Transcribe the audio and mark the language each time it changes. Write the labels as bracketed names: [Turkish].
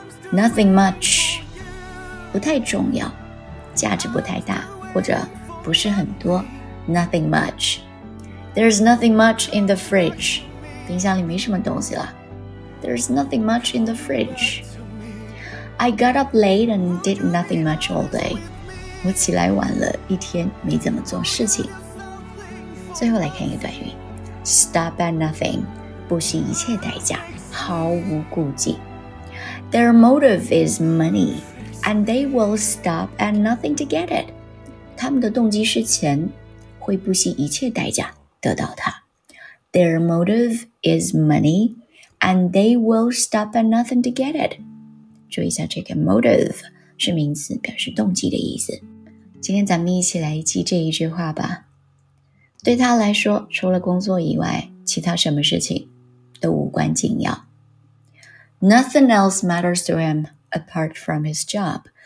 [English] Nothing much， [Chinese] 不太重要，价值不太大，或者不是很多。 [English] Nothing much. There's nothing much in the fridge. [Chinese] 冰箱里没什么东西了。 [English] There's nothing much in the fridge. I got up late and did nothing much all day. [Chinese] 我起来晚了一天，没怎么做事情。最后来看一个短语 [English] Stop at nothing. [Chinese] 不惜一切代价，毫无顾忌。 [English] Their motive is money, and they will stop at nothing to get it. [Chinese] 他们的动机是钱，会不惜一切代价得到它。 [English] Their motive is money, and they will stop at nothing to get it. [Chinese] 注意一下这个 motive 是名词，表示动机的意思。今天咱们一起来记这一句话吧。对他来说，除了工作以外，其他什么事情都无关紧要。 [English] Nothing else matters to him apart from his job.